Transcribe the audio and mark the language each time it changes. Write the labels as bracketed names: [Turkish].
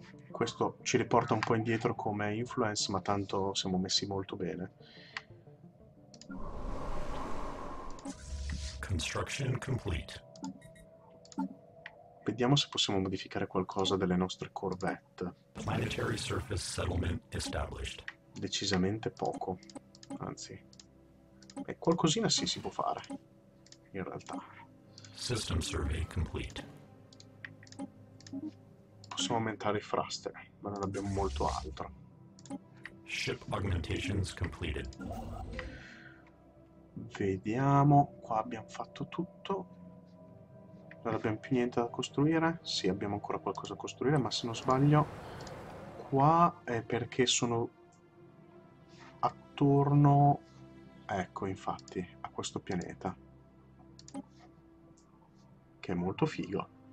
[Italian] Questo ci riporta un po' indietro come influence, ma tanto siamo messi molto bene. [English] Construction complete. [Italian] Vediamo se possiamo modificare qualcosa delle nostre corvette. [English] Planetary surface settlement established. [Italian] Decisamente poco. Anzi, qualcosina sì si può fare, in realtà. [English] System survey complete. [Italian] Possiamo aumentare i thruster, ma non abbiamo molto altro. [English] Ship augmentations completed. [Italian] Vediamo, qua abbiamo fatto tutto. Non abbiamo più niente da costruire. Sì, abbiamo ancora qualcosa da costruire, ma se non sbaglio, qua è perché sono attorno, ecco, infatti, a questo pianeta, che è molto figo.